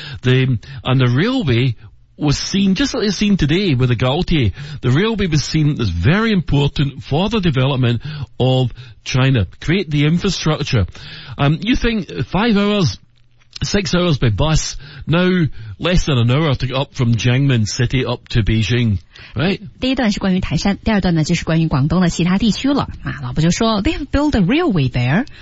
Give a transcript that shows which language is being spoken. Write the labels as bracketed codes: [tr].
[en] And the railway was seen, just like it's seen today with the Gaotie, the railway was seen as very important for the development of China, create the infrastructure. You think 5 hours, 6 hours by bus, now less than an hour to get up from Jiangmen City up to Beijing, right? [zh] 第一段是关于台山，第二段呢就是关于广东的其他地区了。啊，老婆就说 ， [en] They have built a railway there.